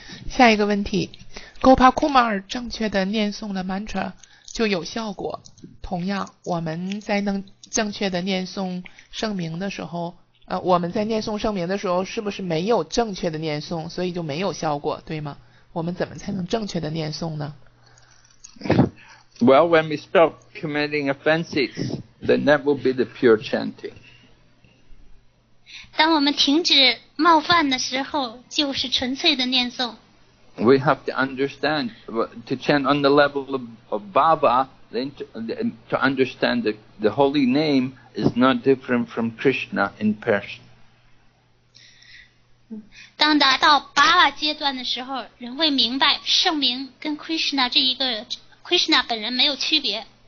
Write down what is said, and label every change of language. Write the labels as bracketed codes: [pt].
[zh] 下一个问题， Gopal Kumar 正确的念诵了 mantra 就有效果。同样，我们在能正确的念诵圣名的时候，我们在念诵圣名的时候，是不是没有正确的念诵，所以就没有效果，对吗？我们怎么才能正确的念诵呢 [en] ？Well, when we stop committing offenses, then that will be the pure chanting. [zh] 当我们停止冒犯的时候，就是纯粹的念诵。 [en] We have to understand to chant on the level of Baba. Then to understand that the holy name is not different from Krishna in person. [zh] 当达到巴瓦阶段的时候，人会明白圣名跟 Krishna 这一个 Krishna 本人没有区别。